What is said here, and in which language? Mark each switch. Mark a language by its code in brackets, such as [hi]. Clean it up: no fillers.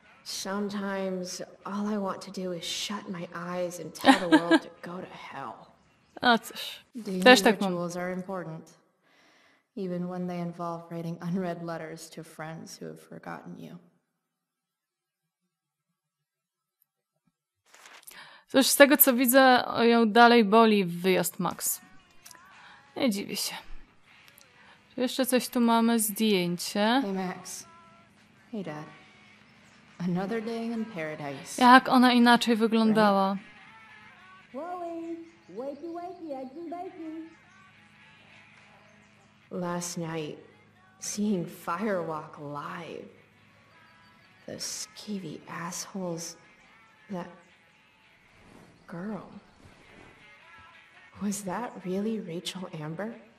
[en] Sometimes all I want to do is shut my eyes and tell the world to go to hell. [pl] No cóż, też tak mam. [en] Rituals are important, even when they involve writing unread letters to friends who have forgotten you. [pl] Cóż, z tego co widzę, ją dalej boli wyjazd Max. Nie dziwię się. Czy jeszcze coś tu mamy? Zdjęcie. [en] Hey Max. Hey Dad. Another day in paradise. [pl] Jak ona inaczej wyglądała. [en] Wally, wakey wakey, eggs and bacon. Last night, seeing Firewalk live. The skeevy assholes that... Girl, was that really Rachel Amber?